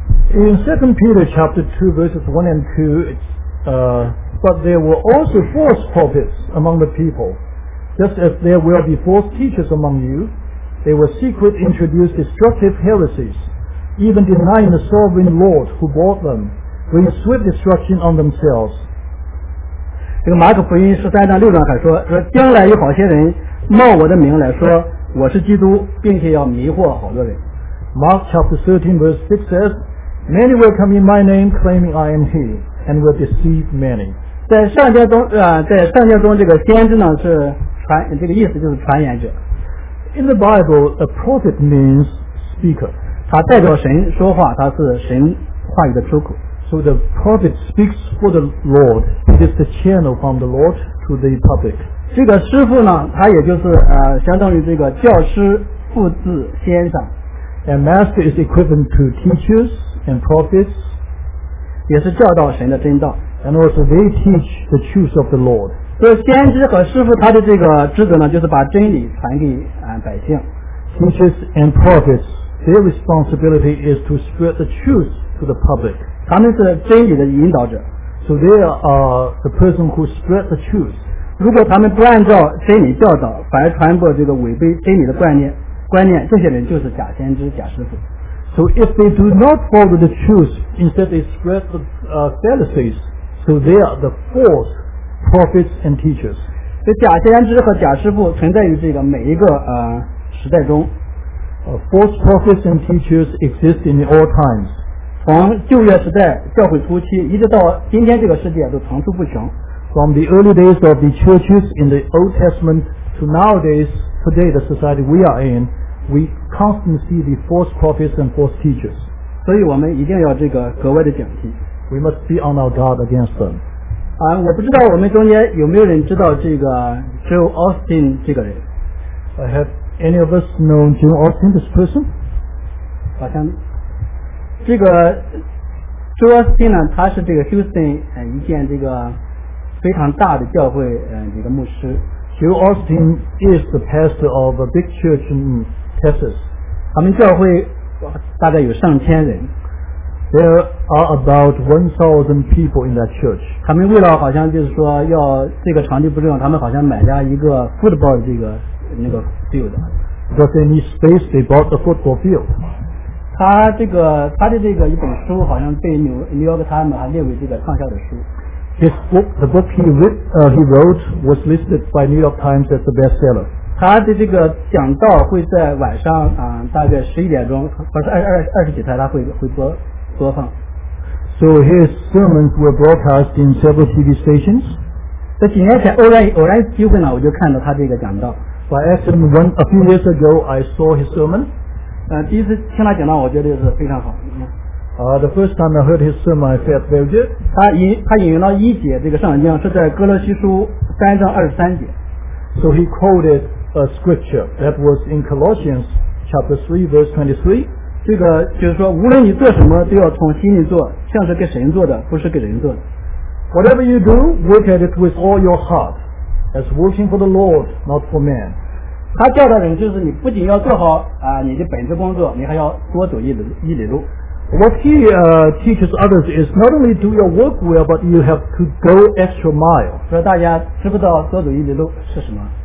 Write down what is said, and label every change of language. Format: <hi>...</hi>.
<en>In 2 Peter chapter 2 verses 1 and 2 But there were also false prophets among the people, just as there will be false teachers among you. They will secretly introduce destructive heresies, even denying the sovereign Lord who bought them, bring swift destruction on themselves.</en> <zh>这个马可福音十三章六章还说，说将来有好些人冒我的名来说我是基督，并且要迷惑好多人。</zh> <en>Mark chapter 13 verse 6 says, Many will come in my name, claiming I am he. And will deceive many.</en> <zh>在圣经中，在圣经中，这个先知呢是传，这个意思就是传言者。</zh> <en>In the Bible, a prophet means speaker.</en> <zh>他代表神说话，他是神话语的出口。</zh> <en>So the prophet speaks for the Lord. It is the channel from the Lord to the public.</en> <zh>这个师父呢，他也就是相当于这个教师、父子、先生。</zh> <en>And master is equivalent to teachers and prophets.</en> <zh>也是教导神的真道。</zh> <en>And also they teach the truth of the Lord.</en> <zh>所以先知和师父他的这个职责呢，就是把真理传给百姓。</zh> <en>Teachers and prophets, their responsibility is to spread the truth to the public.</en> <zh>他们是真理的引导者。</zh> <en>So they are the person who spread the truth.</en> <zh>如果他们不按照真理教导，反而传播这个违背真理的观念，这些人就是假先知、假师父。</zh> <en>So if they do not follow the truth, instead they spread the fallacies, so they are the false prophets and teachers.</en> <zh>这假先知和假师父存在于这个每一个时代中。</zh> <en>False prophets and teachers exist in all times.</en> <zh>从旧约时代教会初期一直到今天这个世界都层出不穷。</zh> <en>From the early days of the churches in the Old Testament to nowadays, today the society we are in, we constantly see the false prophets and false teachers.</en> <zh>所以我们一定要这个格外的警惕。</zh> <en>We must be on our guard against them.</en> <zh>我不知道我们中间有没有人知道这个 Joel Osteen 这个人。</zh> <en>Have any of us known Joel Osteen, this person?</en> <zh>好像这个 Joel Osteen 呢，他是这个 Houston 一件这个非常大的教会一个牧师。</zh> <en>Joel Osteen is the pastor of a big church in Texas.</en> <zh>他们教会大概有上千人。</zh> <en>There are about 1,000 people in that church.</en> <zh>他们为了好像就是说要这个场地不用，他们好像买下一个 football 这个那个 field.</zh> <en>Because they need space, they bought a football field.</en> <zh>他的这个一本书好像被New York Times 列为这个畅销的书。</zh> <en>His book, the book he wrote was listed by New York Times as the bestseller.</en> <zh>他的这个讲道会在晚上大概11点钟，不是二十几台，他会播放。</zh> <en>So his sermons were broadcast in several TV stations.</en> <zh>在几年前偶然机会呢，我就看到他这个讲道。</zh> <en>By accident, a few years ago, I saw his sermon.</en> <zh>第一次听他讲道，我觉得是非常好。</zh> <en>The first time I heard his sermon, I felt very good.</en> <zh>他引用了一节这个圣经，是在哥罗西书3:23。</zh> <en>So he quoted a scripture that was in Colossians chapter 3:23.</en> <zh>这个就是说，无论你做什么，都要从心里做，像是给神做的，不是给人做的。</zh> <en>Whatever you do, work at it with all your heart, as working for the Lord, not for man.</en> <zh>他教导人就是你不仅要做好你的本职工作，你还要多走一里路。</zh> <en>What he teaches others is not only do your work well, but you have to go extra mile.</en> <zh>说大家知不知道多走一里路是什么？</zh>